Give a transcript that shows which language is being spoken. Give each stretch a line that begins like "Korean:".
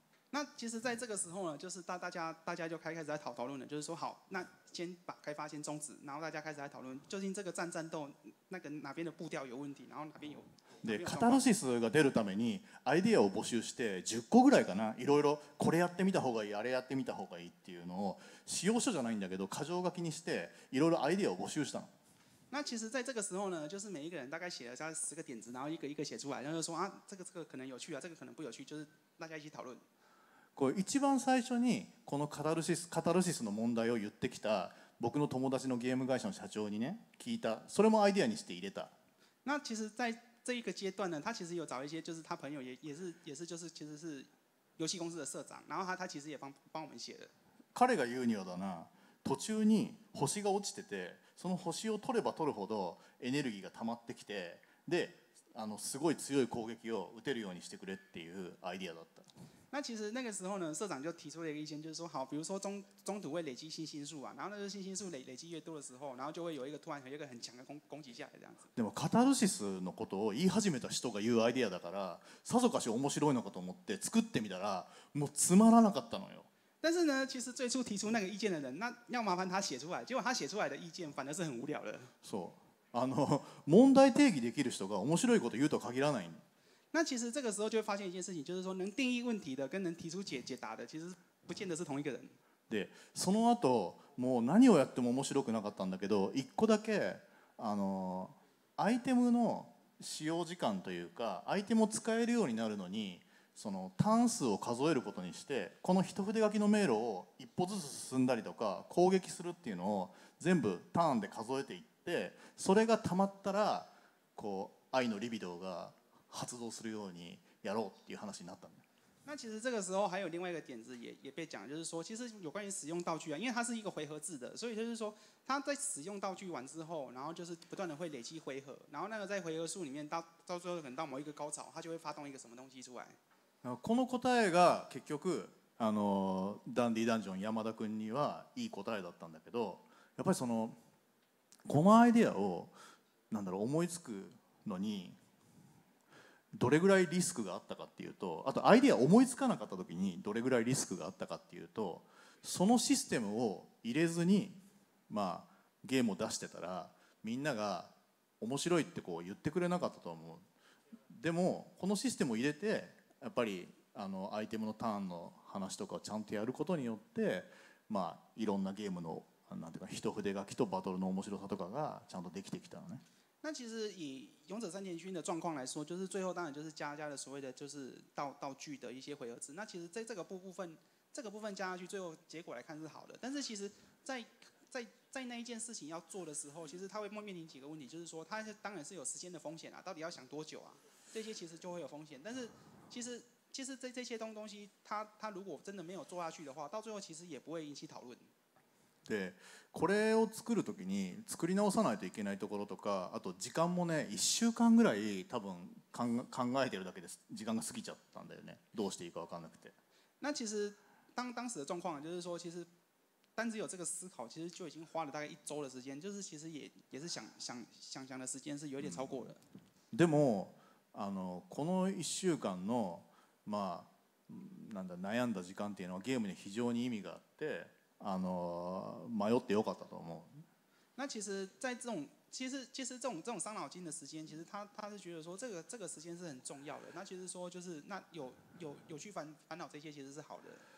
Chinese: 那其实在这个时候呢，就是大家就开始在讨论了，就是说好，那先把开发先终止，然后大家开始在讨论究竟这个战斗那个哪边的步调有问题，然后哪边有。
Japanese: で、カタルシスが出るためにアイデアを募集して10個ぐらいかな、いろいろこれやってみた方がいい、あれやってみた方がいいっていうのを使用書じゃないんだけど箇条書きにしていろいろアイデアを募集したの。
Chinese: 那其实在这个时候呢，就是每一个人大概写了大概十个点子，然后一个一个写出来，然后就说啊，这个可能有趣啊，这个可能不有趣，就是大家一起讨论。
Japanese: これ一番最初にこのカタルシスの問題を言ってきた僕の友達のゲーム会社の社長にね聞いた、それもアイデアにして入れた。
Chinese: 那其实在这一个阶段呢，他其实有找一些就是他朋友也是就是其实是游戏公司的社长，然后他其实也帮我们写的。
Japanese: 彼が言うにはだな、途中に星が落ちてて、その星を取れば取るほどエネルギーが溜まってきて、であのすごい強い攻撃を打てるようにしてくれっていうアイデアだった。
Chinese: 那其实那个时候呢，社长就提出了一个意见，就是说好，比如说中途会累积星星数啊，然后那个星星数累积越多的时候，然后就会有一个突然有一个很强的攻击下来这样子。
Japanese: でもカタルシスのことを言い始めた人が言うアイデアだから、さぞかし面白いのかと思って作ってみたら、もうつまらなかったのよ。
Chinese: 但是呢，其实最初提出那个意见的人，那要麻烦他写出来，结果他写出来的意见反而是很无聊的。
Japanese: そう、あの問題定義できる人が面白いこと言うとは限らない。
Chinese: 那其实这个时候就会发现一件事情，就是说能定义问题的跟能提出解答的，其实不见得是同一个人。
Japanese: で、その後もう何をやっても面白くなかったんだけど、一個だけあのアイテムの使用時間というか、アイテムを使えるようになるのに、そのターン数を数えることにして、この一筆書きの迷路を一歩ずつ進んだりとか攻撃するっていうのを全部ターンで数えていって、それがたまったらこう愛のリビドーが発動するようにやろうっていう話になったんだ。
Chinese: 那其实这个时候还有另外一个点子也被讲，就是说其实有关于使用道具啊，因为它是一个回合制的，所以就是说它在使用道具完之后，然后就是不断的会累积回合，然后那个在回合数里面到最后可能到某一个高潮，它就会发动一个什么东西出来。
Japanese: この答えが結局あのダンディダンジョン山田君にはいい答えだったんだけど、やっぱりそのこのアイデアをなんだろう思いつくのに。どれぐらいリスクがあったかっていうと、あとアイデア思いつかなかった時にどれぐらいリスクがあったかっていうと、そのシステムを入れずに、まあ、ゲームを出してたらみんなが面白いってこう言ってくれなかったと思う。でもこのシステムを入れてやっぱりあのアイテムのターンの話とかをちゃんとやることによって、まあ、いろんなゲームのなんていうか一筆書きとバトルの面白さとかがちゃんとできてきたのね。
Chinese: 那其实以勇者三田勋的状况来说，就是最后当然就是加的所谓的就是道具的一些回合制。那其实在这个部分加下去，最后结果来看是好的。但是其实在那一件事情要做的时候，其实他会面临几个问题，就是说他当然是有时间的风险啊，到底要想多久啊？这些其实就会有风险。但是其实 这些 东西 他如果真的没有做下去的话，到最后其实也不会引起讨论。
Japanese: でこれを作るときに作り直さないといけないところとか、あと時間もね1週間ぐらい多分考えてるだけです。時間が過ぎちゃったんだよね。どうしていいか分かんなくて。
Chinese: 那其实当时的状况就是说，其实单只有这个思考，其实就已经花了大概一周的时间，就是其实 也是想的时间是有点超过了。
Japanese: でもあのこの1週間のまあなんだ悩んだ時間っていうのはゲームに非常に意味があって。迷ってよかったと思う。
Chinese: 那其实在这种其实这种伤脑筋的时间，其实他是觉得说这个时间是很重要的。那其实说就是那有去烦恼这些其实是好的。